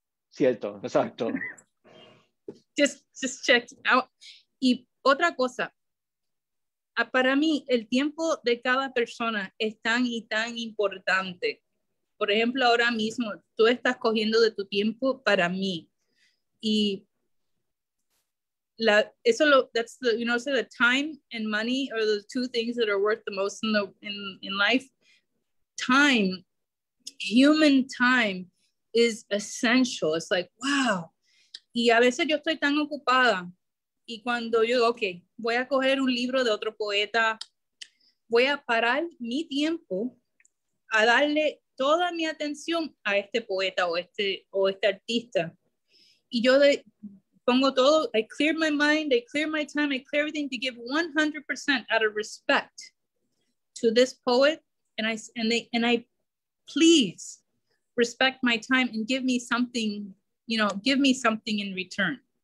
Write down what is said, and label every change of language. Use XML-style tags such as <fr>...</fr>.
<es>Cierto, exacto.</es> <en>just check it out.</en> <es>Y otra cosa. Para mí, el tiempo de cada persona es tan y tan importante. Por ejemplo, ahora mismo, tú estás cogiendo de tu tiempo para mí.</es> <en>Y the time and money are the two things that are worth the most in life. Time, human time, is essential. It's like, wow.</en> <es>Y a veces yo estoy tan ocupada, y cuando yo digo, okay, voy a coger un libro de otro poeta, voy a parar mi tiempo a darle toda mi atención a este poeta o este artista. Y yo pongo todo,</es> <en>I clear my mind, I clear my time, I clear everything to give 100% out of respect to this poet, and I please respect my time and give me something, you know, give me something in return.</en>